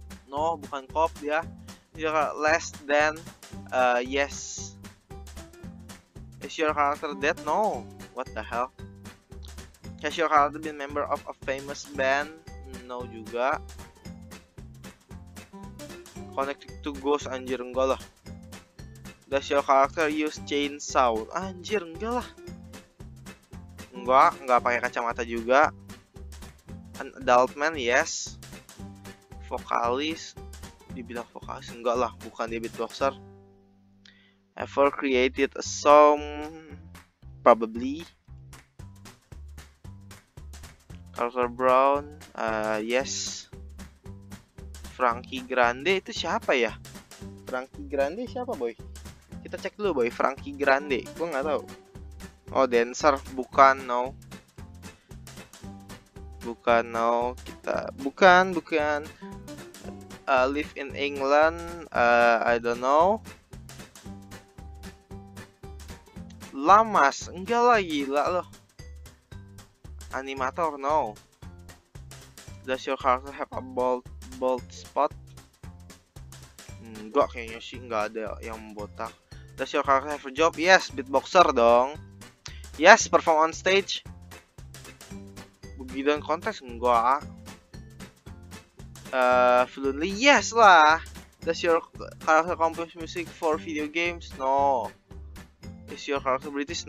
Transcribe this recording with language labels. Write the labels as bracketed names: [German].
[English] No, [Indonesian] bukan cop ya. [English] Your less than yes. Is your character dead? No. What the hell? Has your character been member of a famous band? No [Indonesian] juga. [English] Connected to ghost? [Indonesian] Anjir, enggak lah. [English] Does your character use chainsaw? [Indonesian] Anjir, enggak lah. Enggak pakai kacamata juga. [English] An adult man, yes. Vokalis. [Indonesian] Dibilang vokalis, enggak lah, bukan dia beatboxer. [English] Ever created a song? Probably. [Indonesian] Carter Brown, [English] yes. [Indonesian] Frankie Grande, itu siapa ya? Frankie Grande siapa, boy? Kita cek dulu, boy. Frankie Grande, gua enggak tahu. Oh, dancer, bukan, no. Bukan, no, kita, bukan. [English] Live in England, I don't know. [Indonesian] Lamas, enggak lah, gila loh. [English] Animator, no. Does your character have a bald spot? [Indonesian] Enggak, kayaknya sih, enggak ada yang botak. [English] Does your character have a job? Yes, beatboxer dong. Yes, perform on stage. [Indonesian] Begitu kontes, enggak. [English] Fluently, yes lah. Does your character compose music for video games? No. Is your character British?